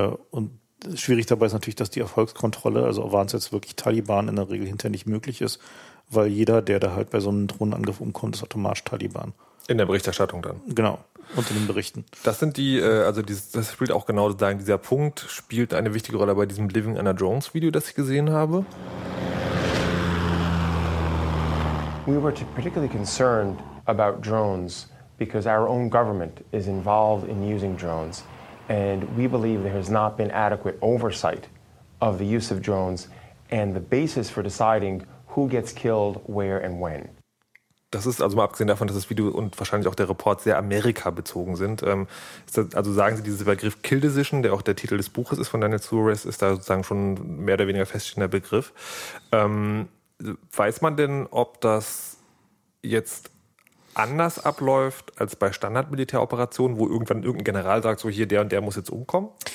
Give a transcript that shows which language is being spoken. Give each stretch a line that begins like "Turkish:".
German: Und schwierig dabei ist natürlich, dass die Erfolgskontrolle, also waren es jetzt wirklich Taliban, in der Regel hinterher nicht möglich ist, weil jeder, der da halt bei so einem Drohnenangriff umkommt, ist automatisch Taliban. In der Berichterstattung dann. Genau, unter den Berichten. Das sind die, also das spielt auch genau sozusagen, dieser Punkt spielt eine wichtige Rolle bei diesem Living Under Drones Video, das ich gesehen habe.
English: We were particularly concerned about drones because our own government is involved in using drones. And we believe there has not been adequate oversight of the use of drones and the basis for deciding who gets killed, where and when.
German: Das ist also mal abgesehen davon, dass das Video und wahrscheinlich auch der Report sehr Amerika-bezogen sind. Also sagen Sie, dieser Begriff Kill Decision, der auch der Titel des Buches ist von Daniel Suarez, ist da sozusagen schon mehr oder weniger feststehender Begriff. Weiß man denn, ob das jetzt anders abläuft als bei Standardmilitäroperationen, wo irgendwann irgendein General sagt, so hier, der und der muss jetzt umkommen?